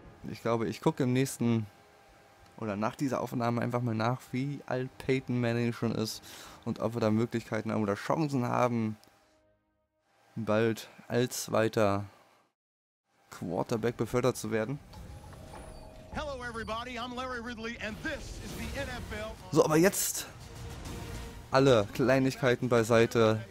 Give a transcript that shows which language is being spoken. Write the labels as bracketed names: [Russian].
[German] Ich glaube, ich gucke im nächsten oder nach dieser Aufnahme einfach mal nach, wie alt Peyton Manning schon ist und ob wir da Möglichkeiten haben oder Chancen haben, bald als zweiter Quarterback befördert zu werden. [English] Hello everybody, I'm Larry Ridley and this is the NFL. [German] So, aber jetzt alle Kleinigkeiten beiseite.